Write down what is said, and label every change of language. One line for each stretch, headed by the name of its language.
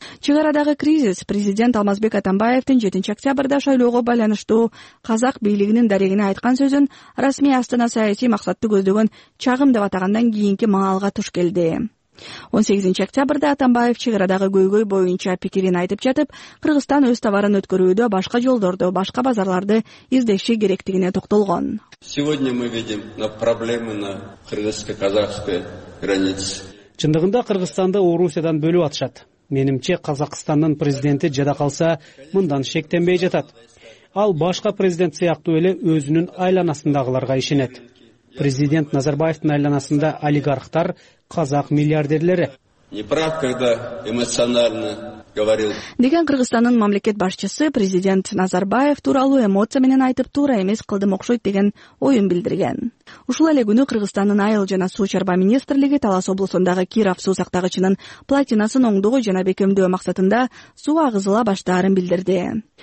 Kyrgyz: Чек арадагы кризис президент Алмазбек Атамбаевдин 7 октябрда шайлоого байланыштуу казак бийлигинин дарегине айткан сөзүн расмий Астана саясий максатты көздөгөн чагым деп атагандан кийинки маалга туш келди. 18 октябрда Атамбаев чыгырадагы көйгөй боюнча пикирин айтып жатып, Кыргызстан өз товарын өткөрүүдө башка жолдорду, башка базарларды издеши керектигине токтолгон.
Russian: Сегодня мы видим на проблемы на кыргызско-казакской границе.
Kyrgyz: Чындыгында Кыргызстанды Орусиядан бөлүп атышат. Менимче Казакстандын президенти жада калса, мындан шектенбей жатат. Ал башка президент сыяктуу эле өзүнүн айланасындагыларга ишенет. Президент Назарбаевдин айланасында олигархтар, казак миллиардерлери.
Russian: Неправ, когда эмоционально говорил.
Kyrgyz: Деген Кыргызстандын мамлекет башчысы президент Назарбаев тууралуу эмоция менен айтып туура эмес кылдым окшойт деген оюн билдирген. Ушул эле күнү Кыргызстандын айыл жана суу чарба министрлиги Талас облусундагы Киров суу сактагычынын платинасын оңдоо жана бекемдөө максатында суу агызыла баштаарын билдирди.